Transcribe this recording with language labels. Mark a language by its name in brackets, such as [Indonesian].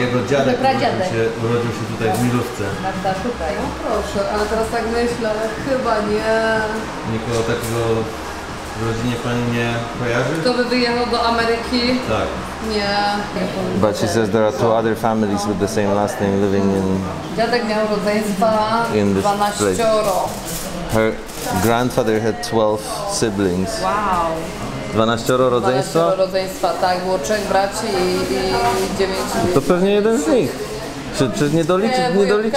[Polish] jego dziadek urodził się tutaj w Milówce. Tak, tutaj. No proszę, ale teraz tak myślę, chyba nie... Nikogo takiego... W rodzinie pani nie kojarzy? Kto by wyjechał do Ameryki? Tak. Nie. [English] But she says there are two other families with the same last name living in... [Polish] Dziadek miał rodzeństwa 12. [English] Her grandfather had 12 siblings. Wow. [Polish] 12 rodzeństwa? 12 rodzeństwa, tak. Było 3 braci i 9. To pewnie jeden z nich. Czy nie doliczyli się? Nie, wujek